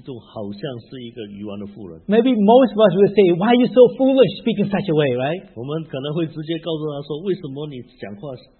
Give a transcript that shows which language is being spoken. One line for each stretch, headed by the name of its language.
Chinese: 所以他在这里告诉他的妻子说，你说话像个愚顽的妇人一样，就是说你不是一个愚顽的妇人，但是你的一举一动好像是一个愚顽的妇人。Maybe
English: most of us would say, why are you so foolish speaking such a way, right?
Chinese: 我们可能会直接告诉他说，为什么你这样讲话？